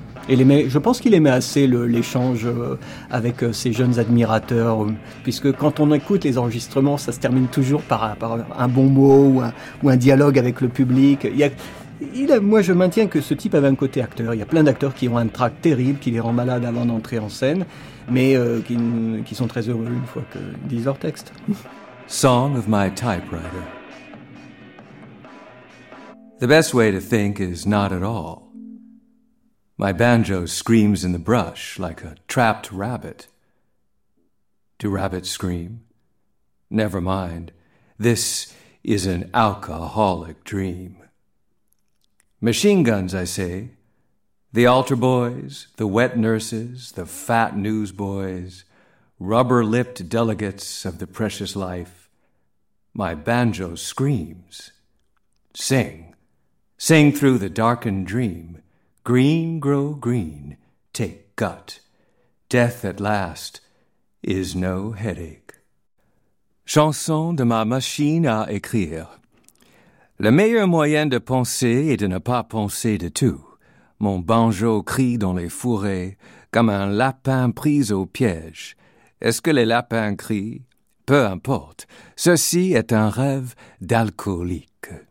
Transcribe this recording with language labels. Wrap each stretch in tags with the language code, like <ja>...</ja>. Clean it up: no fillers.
<fr>Je pense qu'il aimait assez l'échange avec ses jeunes admirateurs, puisque quand on écoute les enregistrements, ça se termine toujours par un bon mot ou un dialogue avec le public. Moi, je maintiens que ce type avait un côté acteur. Il y a plein d'acteurs qui ont un trac terrible, qui les rend malades avant d'entrer en scène, mais qui sont très heureux une fois qu'ils disent leur texte.</fr> <en>Song of my typewriter. The best way to think is not at all. My banjo screams in the brush like a trapped rabbit. Do rabbits scream? Never mind. This is an alcoholic dream. Machine guns, I say. The altar boys, the wet nurses, the fat newsboys, rubber-lipped delegates of the precious life. My banjo screams. Sing. Sing through the darkened dream. Green grow green. Take gut. Death at last is no headache.</en> <fr>Chanson de ma machine à écrire. Le meilleur moyen de penser est de ne pas penser de tout. Mon banjo crie dans les fourrés comme un lapin pris au piège. Est-ce que les lapins crient? Peu importe, ceci est un rêve d'alcoolique.</fr>